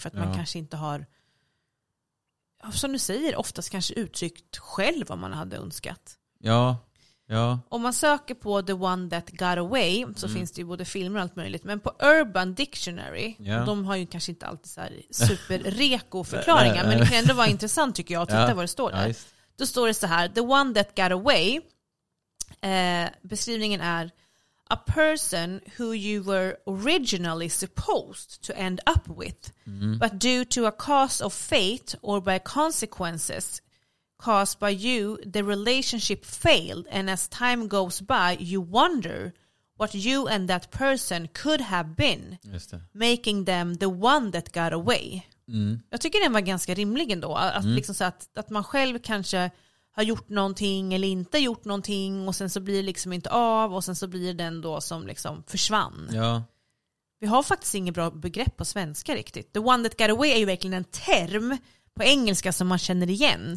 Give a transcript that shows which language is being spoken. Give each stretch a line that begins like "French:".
Swedish: För att man kanske inte har, som du säger, oftast kanske uttryckt själv vad man hade önskat. Ja, ja. Om man söker på
English: the one that got away
Swedish: så finns det ju både filmer och allt möjligt. Men på Urban Dictionary, de har ju kanske inte alltid så här superreko-förklaringar. Men det kan ändå vara intressant tycker jag att titta vad det står där. Då står det så här,
English: the one that got away,
Swedish: beskrivningen är
English: a person who you were originally supposed to end up with, but due to a cause of fate or by consequences caused by you, the relationship failed and as time goes by you wonder what you and that person could have been,
Swedish: just det,
English: making them the one that got away. Mm.
Swedish: Jag tycker den var ganska rimlig ändå. Att, liksom så att man själv kanske har gjort någonting eller inte gjort någonting och sen så blir det liksom inte av och sen så blir det den då som liksom försvann. Ja. Vi har faktiskt inget bra begrepp på svenska riktigt.
English: The one that got away
Swedish: är ju verkligen en term på engelska som man känner igen.